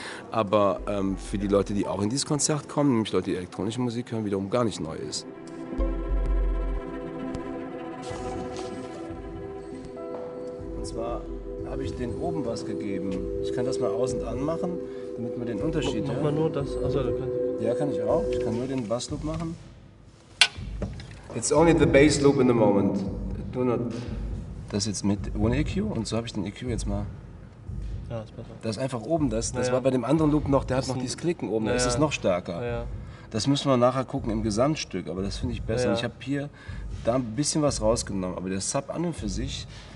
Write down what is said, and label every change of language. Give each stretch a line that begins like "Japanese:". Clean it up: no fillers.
German: Aber für die Leute, die auch in dieses Konzert kommen, nämlich Leute, die elektronische Musik hören, wiederum gar nicht neu ist. Und zwar habe ich den oben was gegeben. Ich kann das mal aus- und anmachen, damit man den Unterschied hört. Mach mal nur das. Also, ja, kann ich auch. Ich kann nur den Bassloop machen.
English: It's only the bass loop in the moment. Do not.
German: Das jetzt mit ohne EQ. Und so habe ich den EQ jetzt mal. Ja, ist besser. Das ist einfach oben. Das war bei dem anderen Loop noch, der hat noch dieses Klicken oben. Da ist es noch stärker. Das müssen wir nachher gucken im Gesamtstück. Aber das finde ich besser. Ich habe hier da ein bisschen was rausgenommen. Aber der Sub an und für sich.